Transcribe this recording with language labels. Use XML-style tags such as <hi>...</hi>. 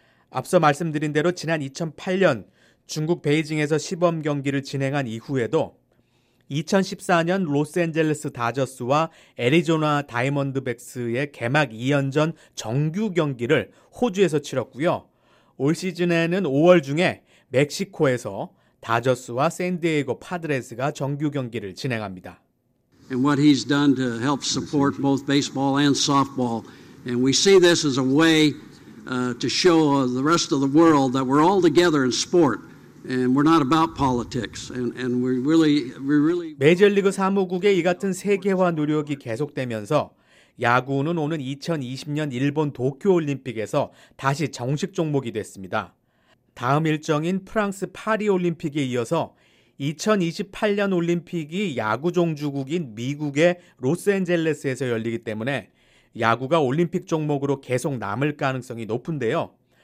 <ko>앞서 말씀드린 대로 지난 2008년 중국 베이징에서 시범 경기를 진행한 이후에도 2014년 로스앤젤레스 다저스와 애리조나 다이아몬드백스의 개막 2연전 정규 경기를 호주에서 치렀고요. 올 시즌에는 5월 중에 멕시코에서 다저스와 샌디에이고 파드레스가 정규 경기를 진행합니다.</ko> <en>And what he's done to help support both baseball and softball. And we see this as a way to show the rest of the world that we're all together in sport. And we're not about politics. And we really.</en> <ko>메이저리그 사무국의 이 같은 세계화 노력이 계속되면서 야구는 오는 2020년 일본 도쿄올림픽에서 다시 정식 종목이 됐습니다. 다음 일정인 프랑스 파리올림픽에 이어서 2028년 올림픽이 야구 종주국인 미국의 로스앤젤레스에서 열리기 때문에 야구가 올림픽 종목으로 계속 남을 가능성이 높은데요.</ko>